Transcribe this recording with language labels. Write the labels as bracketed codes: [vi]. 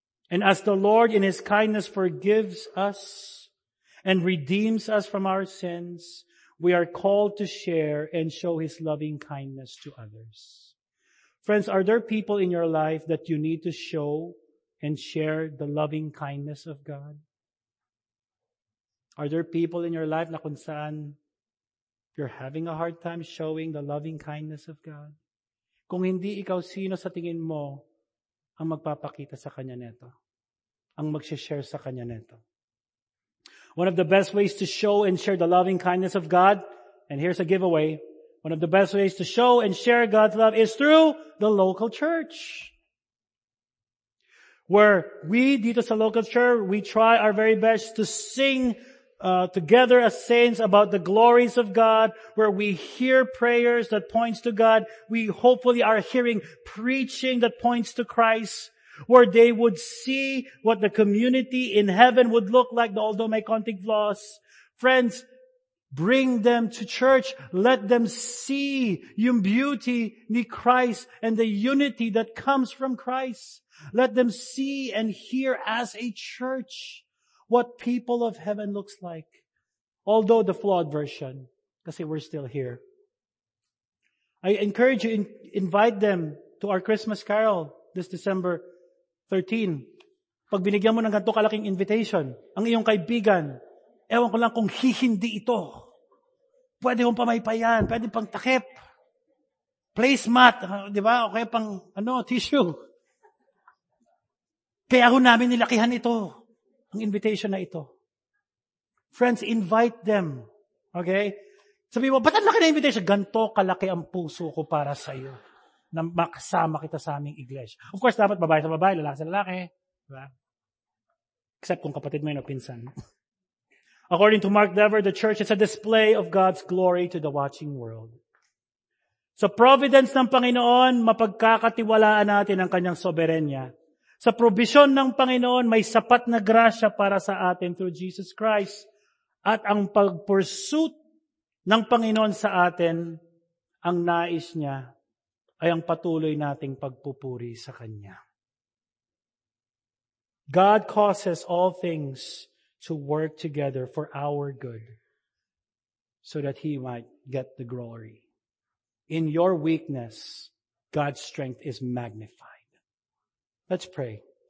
[en] And as the Lord in His kindness forgives us and redeems us from our sins, we are called to share and show His loving kindness to others. Friends, are there people in your life that you need to show and share the loving kindness of God? Are there people in your life [tl] na kung saan [en] you're having a hard time showing the loving kindness of God? [tl] Kung hindi ikaw, sino sa tingin mo ang magpapakita sa kanya nito? Ang magshare sa kanya nito? [en] One of the best ways to show and share the loving kindness of God, and here's a giveaway, one of the best ways to show and share God's love is through the local church. Where we, [tl] dito sa [en] local church, we try our very best to sing together as saints about the glories of God, where we hear prayers that points to God, we hopefully are hearing preaching that points to Christ, where they would see what the community in heaven would look like, the Aldo May Konting Vlogs. Friends, bring them to church. Let them see [tl] yung [en] beauty ni Christ and the unity that comes from Christ. Let them see and hear as a church what people of heaven looks like. Although the flawed version, [tl] kasi [en] we're still here. I encourage you, invite them to our Christmas carol this December 13. [tl] Pag binigyan mo ng ganito kalaking invitation, ang iyong kaibigan, ewan ko lang kung hihindi ito. Pwede kong pamaypayan, pwede pang takip. Placemat, di ba? O kaya pang, ano, tissue. Kaya ako namin nilakihan ito. Ang invitation na ito. [en] Friends, invite them. Okay? [tl] Sabi mo, ba't ang laki na invitation? Ganto kalaki ang puso ko para sa iyo na makasama kita sa aming iglesia. Of course, dapat babae sa babae, lalaki sa lalaki. Diba? Except kung kapatid mo yun o pinsan. [en] According to Mark Dever, the church is a display of God's glory to the watching world. [tl] Sa providence ng Panginoon, mapagkakatiwalaan natin ang kanyang soberenya. Sa provision ng Panginoon, may sapat na grasya para sa atin [en] through Jesus Christ. [tl] At ang pag-pursuit ng Panginoon sa atin, ang nais niya ay ang patuloy nating pagpupuri sa Kanya. [en] God causes all things to work together for our good so that He might get the glory. In your weakness, God's strength is magnified. Let's pray.